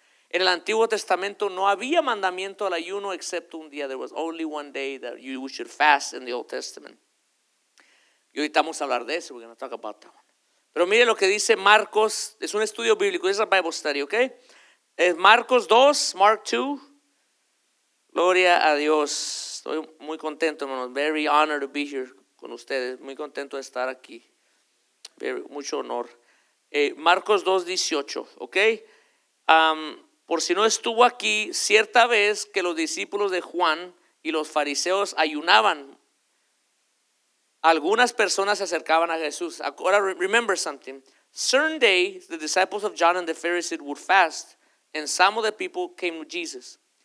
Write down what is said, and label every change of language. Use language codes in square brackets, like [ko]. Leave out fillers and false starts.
[es] En el Antiguo Testamento no había mandamiento al ayuno excepto un día. [en] There was only one day that you should fast in the Old Testament. [es] Y ahorita vamos a hablar de eso. [en] We're going to talk about that one. [es] Pero mire lo que dice Marcos. Es un estudio bíblico. Es un Bible study, ¿ok? Marcos 2, Mark 2. Gloria a Dios. Estoy muy contento, hermanos. [en] Very honored to be here [es] con ustedes. Muy contento de estar aquí. Mucho honor. Marcos 2:18, ok, por si no estuvo aquí, cierta vez que los discípulos de Juan y los fariseos ayunaban, algunas personas se acercaban a Jesús. [en] Ahora, remember something, certain day the disciples of John and the Pharisees would fast, and some of the people came to Jesus.